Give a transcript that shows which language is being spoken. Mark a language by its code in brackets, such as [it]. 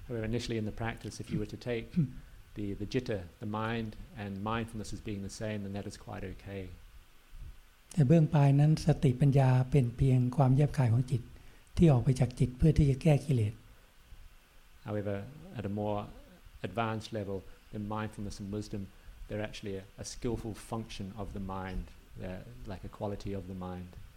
[en] Initially in the practice if you were to take the jitta the mind and mindfulness as being the same then that is quite okay [th] แต่เบื้องปลายนั้นสติปัญญาเป็นเพียงความแยบคายของจิตที่ออกไปจากจิตเพื่อที่จะแก้กิเลส [en] However at a more advanced level the mindfulness and wisdom they're actually a skillful function of the mind like a quality of the mind